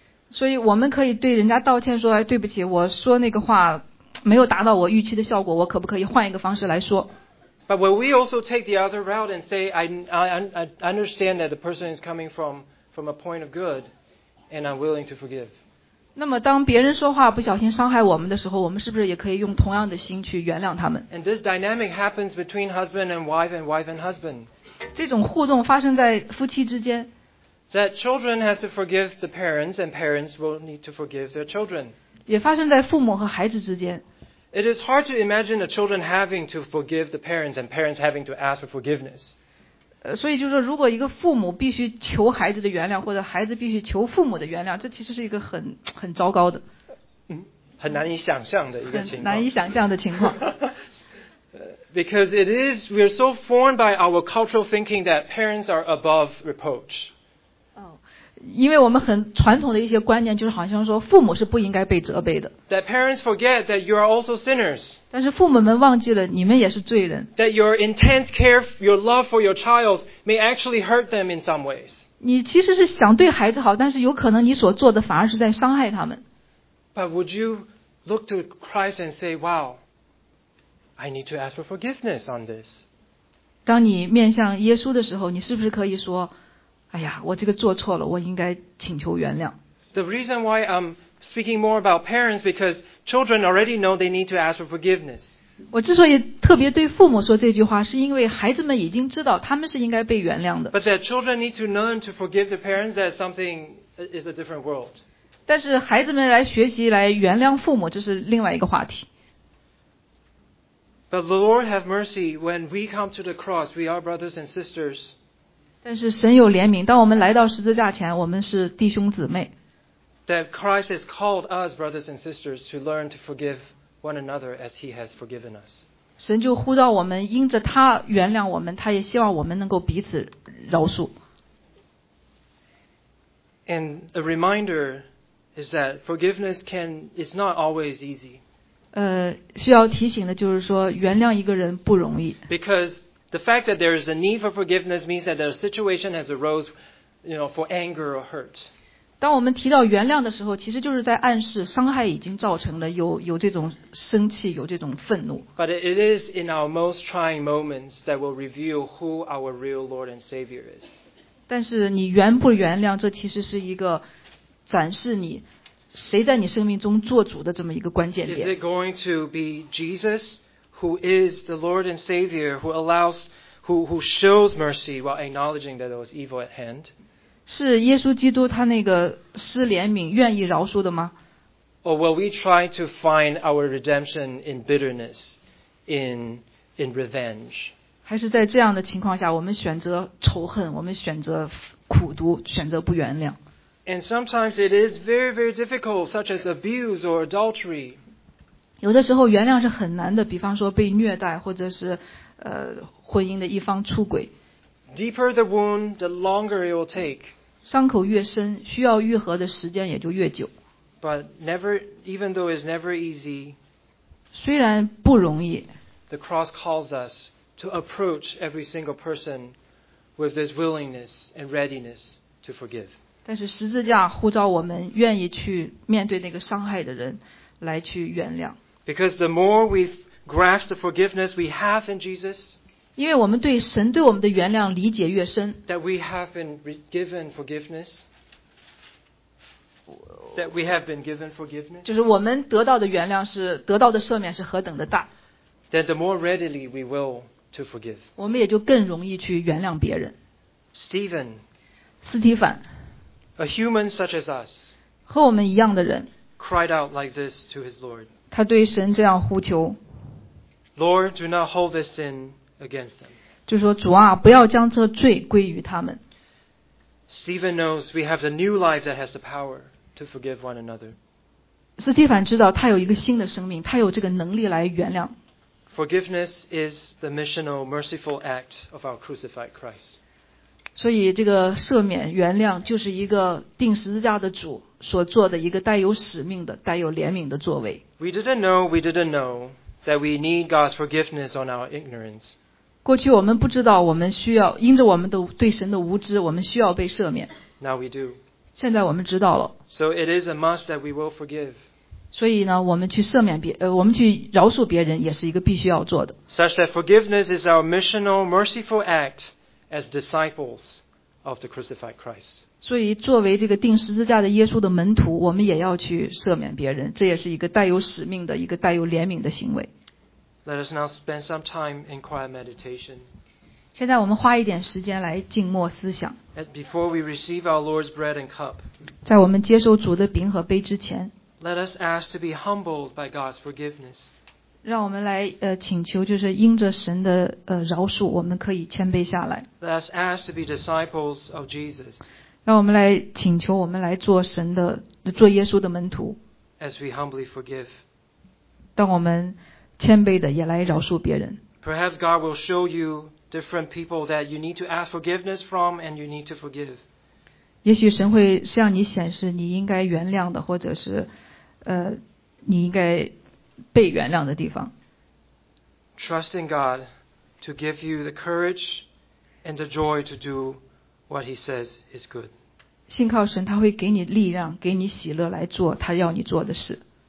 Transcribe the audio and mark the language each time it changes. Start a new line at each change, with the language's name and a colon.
Chinese: 所以我们可以对人家道歉说、哎、对不起我说那个话没有达到我预期的效果我可不可以换一个方式来说
English: But when we also take the other route and say I understand that the person is coming from a point of good and I'm willing to forgive
Chinese: 那么当别人说话不小心伤害我们的时候我们是不是也可以用同样的心去原谅他们
English: And this dynamic happens between husband and wife and wife and husband
Chinese: 这种互动发生在夫妻之间
English: That children has to forgive the parents, and parents will need to forgive their children.
Chinese: 也发生在父母和孩子之间。
English: It is hard to imagine the children having to forgive the parents, and parents having to ask for forgiveness.
Chinese: 所以就是说，如果一个父母必须求孩子的原谅，或者孩子必须求父母的原谅，这其实是一个很糟糕的，很难以想象的一个情况。难以想象的情况。
English: Because it is, we are so formed by our cultural thinking that parents are above reproach.
Chinese: 因为我们很传统的一些观念就是好像说父母是不应该被责备的
English: that parents forget that you are also sinners
Chinese: 但是父母们忘记了你们也是罪人
English: that your intense care your love for your child may actually hurt them in some ways
Chinese: 你其实是想对孩子好但是有可能你所做的反而是在伤害他们
English: but would you look to Christ and say wow I need to ask for forgiveness on this
Chinese: 当你面向耶稣的时候你是不是可以说哎呀，我这个做错了，我应该请求原谅。
English: The reason why I'm speaking more about parents because children already know they need to ask for forgiveness.
Chinese: 我之所以特别对父母说这句话，是因为孩子们已经知道他们是应该被原谅的。
English: But that children need to learn to forgive the parents that something is a different world.
Chinese: 但是孩子们来学习来原谅父母，这是另外一个话题。
English: But the Lord have mercy when we come to the cross, we are brothers and sisters.
Chinese: 但是神有怜悯，当我们来到十字架前，我们是弟兄姊妹。
English: That Christ has called us brothers and sisters to learn to forgive one another as He has forgiven us.
Chinese: 神就呼召我们，因着他原谅我们，他也希望我们能够彼此饶恕。
English: And a reminder is that forgiveness is not always easy.
Chinese: 需要提醒的就是说，原谅一个人不容易。
English: Because The fact that there is a need for forgiveness means that a situation has arose, you know, for anger or hurt.
Chinese: 当我们提到原谅的时候，其实就是在暗示伤害已经造成了，有这种生气，有这种愤怒。
English: But it is in our most trying moments that will reveal who our real Lord and Savior is.
Chinese: 但是你原不原谅，这其实是一个展示你谁在你生命中做主的这么一个关键点。
English: Is it going to be Jesus? Who is the Lord and Savior who allows, who shows mercy while acknowledging that there was evil at hand?
Chinese: 是耶稣基督他那个施怜悯愿意饶恕的吗
English: Or will we try to find our redemption in bitterness, in revenge?
Chinese: 还是在这样的情况下我们选择仇恨我们选择苦读选择不原谅
English: And sometimes it is very, very difficult, such as abuse or adultery.
Chinese: 有的时候原谅是很难的，比方说被虐待，或者是婚姻的一方出轨。
English: Deeper the wound, the longer it will take.
Chinese: 伤口越深，需要愈合的时间也就越久。
English: But never, even though it's never easy.
Chinese: 虽然不容易。
English: The cross calls us to approach every single person with this willingness and readiness to forgive.
Chinese: 但是十字架呼召我们愿意去面对那个伤害的人来去原谅。
English: Because the more we grasp the forgiveness we have in Jesus,
Chinese: 因为我们对神对我们的原谅理解越深
English: that we have been given forgiveness, that we have been given forgiveness,
Chinese: 就是我们得到的原谅是得到的赦免是何等的大
English: that the more readily we will to forgive,
Chinese: 我们也就更容易去原谅别人。
English: Stephen,
Chinese: 斯提凡
English: a human such as us,
Chinese: 和我们一样的人
English: cried out like this to his Lord,
Chinese: 他对神这样呼求
English: Lord, do not hold this sin against them.
Chinese: 就说主啊，不要将这罪归于他们。
English: Stephen knows we have the new life that has the power to forgive one another.
Chinese: 斯提凡知道他有一个新的生命，他有这个能力来原谅。
English: Forgiveness is the missional, merciful act of our crucified Christ.
Chinese: 所以这个赦免、原谅就是一个钉十字架的主所做的一个带有使命的、带有怜悯的作为。
English: We didn't know that we need God's forgiveness on our ignorance.
Chinese: 过去我们不知道，我们需要因着我们的对神的无知，我们需要被赦免。
English: Now we do.
Chinese: 现在我们知道了。
English: So it is a must that we will forgive.
Chinese: 所以呢，我们去赦免别，我们去饶恕别人，也是一个必须要做的。
English: Such that forgiveness is our missional, merciful act as disciples of the crucified Christ.
Chinese: 所以，作为这个钉十字架的耶稣的门徒，我们也要去赦免别人，这也是一个带有使命的一个带有怜悯的行为。
English: Let us now spend some time in quiet meditation.
Chinese: 现在我们花一点时间来静默思想。
English: Before we receive our Lord's bread and cup.
Chinese: 在我们接受主的饼和杯之前。
English: Let us ask to be humbled by God's forgiveness.
Chinese: 让我们来请求，就是因着神的饶恕，我们可以谦卑下来。
English: Let us ask to be disciples of Jesus.
Chinese: 让我们来请求，我们来做神的做耶稣的门徒。
English: As we humbly forgive.
Chinese: 当我们谦卑的也来饶恕别人。
English: Perhaps God will show you different people that you need to ask forgiveness from and you need to forgive.
Chinese: 也许神会向你显示你应该原谅的，或者是你应该被原谅的地方。
English: Trust in God to give you the courage and the joy to do what He says is good.
Chinese: 信靠神，他会给你力量，给你喜乐来做他要你做的事。